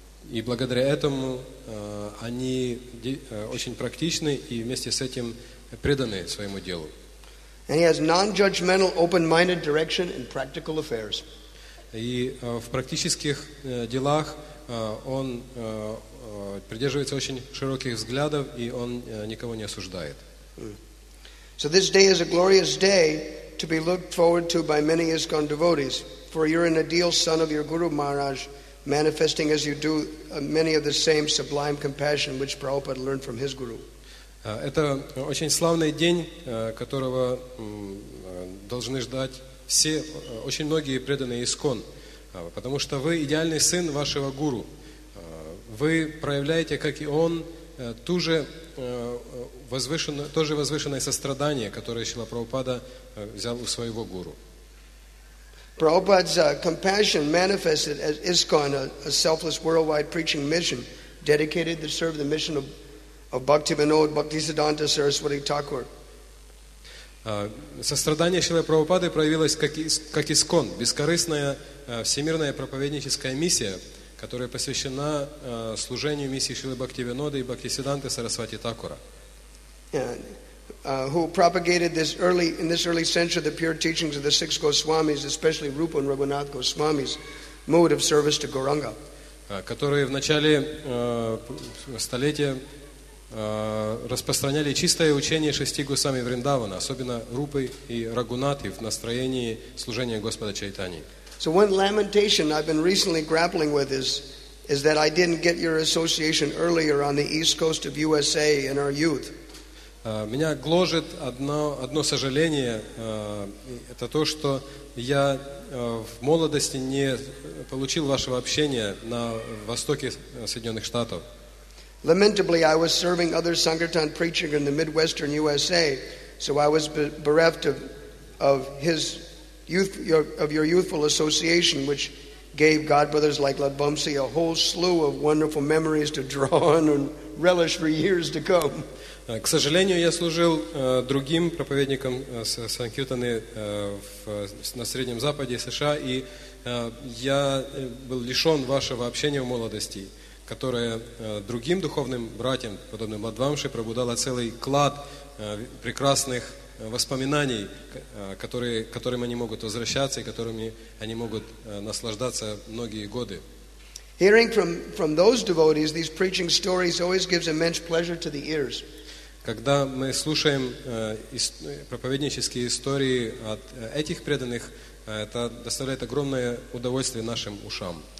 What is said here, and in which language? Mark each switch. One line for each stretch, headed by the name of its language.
Russian: И благодаря этому они очень практичны и вместе с этим преданы своему делу.
English: And he has non-judgmental, open-minded direction in practical affairs.
Russian: И в практических делах он придерживается очень широких взглядов, и он никого не осуждает.
English: So this day is a glorious day to be looked forward to by many ISKCON devotees, for you're an ideal son of your Guru Maharaj, manifesting as you do many of the same sublime compassion which Prabhupada learned from his Guru.
Russian: Это очень славный день, которого должны ждать все, очень многие преданные ИСКОН, потому что вы идеальный сын вашего Гуру. Вы проявляете, как и он, то же возвышенное сострадание, которое Шрила Прабхупада взял у своего Гуру.
English: Prabhupada's compassion manifested as ISKCON, a selfless worldwide preaching mission dedicated to serve the mission of Bhaktivinod, Bhaktisiddhanta Saraswati Thakur.
Russian: Сострадание Шрилы Прабхупады проявилось как ИСКОН, бескорыстная всемирная проповедническая миссия, которая посвящена служению миссии Шрилы Бхактивинода и Бхактисиддханты Сарасвати Такура.
English: Who propagated in this early century the pure teachings of the six Goswamis, especially Rupa and Raghunath Goswami's mode of service to Gauranga.
Russian: Которые в начале столетия распространяли чистое учение шести гусами Вриндавана, особенно Рупы и Рагунаты в настроении служения Господа Чайтани.
English: So one lamentation I've been recently grappling with is that I didn't get your association earlier on the east coast of USA in our youth.
Russian: Меня гложет одно сожаление, это то, что я в молодости не получил вашего общения на востоке Соединенных Штатов.
English: Lamentably, I was serving other Sankirtan preaching in the Midwestern USA, so I was bereft of your youthful association, which gave Godbrothers like Lord Bumsey a whole slew of wonderful memories to draw on and relish for years to come.
Russian: К сожалению, я служил другим проповедником Санкиртаны на Среднем Западе США, и я был лишен вашего общения в молодости, которое другим духовным братьям, подобным Ладвамши, пробудало целый клад прекрасных воспоминаний, которым они могут возвращаться и которыми они могут наслаждаться многие годы.
English: Hearing from those devotees, these preaching stories always gives immense pleasure to the ears.
Russian: Когда мы слушаем проповеднические истории от этих преданных, это доставляет огромное удовольствие нашим ушам.